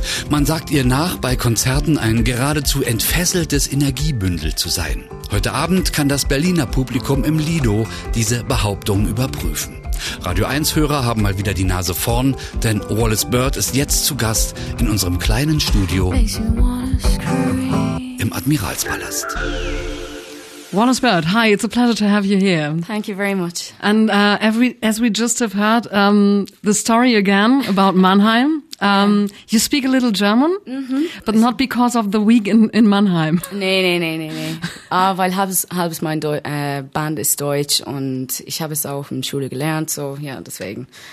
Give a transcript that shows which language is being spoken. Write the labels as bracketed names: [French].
[German] Man sagt ihr nach, bei Konzerten ein geradezu entfesseltes Energiebündel zu sein. Heute Abend kann das Berliner Publikum im Lido diese Behauptung überprüfen. Radio 1-Hörer haben mal wieder die Nase vorn, denn Wallace Bird ist jetzt zu Gast in unserem kleinen Studio im Admiralspalast. [English] Wallace Bird, hi, it's a pleasure to have you here. Thank you very much. And as we just have heard, the story again about Mannheim. You speak a little German, but not because of the week in Mannheim. [German] Nee. weil halbes mein Band ist Deutsch und ich habe es auch in Schule gelernt, so, ja, deswegen.